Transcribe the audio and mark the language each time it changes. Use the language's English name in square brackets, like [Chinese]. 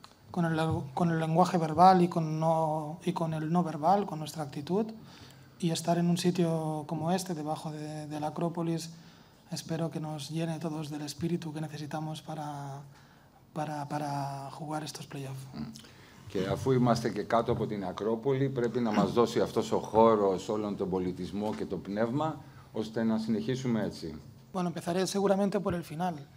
[Spanish] Con el lenguaje verbal y con el no verbal, con nuestra actitud, y estar en un sitio como este, debajo de la Acrópolis, espero que nos llene todos del espíritu que necesitamos para jugar estos playoffs. [Greek] Και αφού είμαστε και κάτω από την Ακρόπολη, πρέπει να μας δώσει αυτός ο χώρος όλον τον πολιτισμό και το πνεύμα, ώστε να συνεχίσουμε έτσι. [Spanish] Bueno, empezaré seguramente por el final.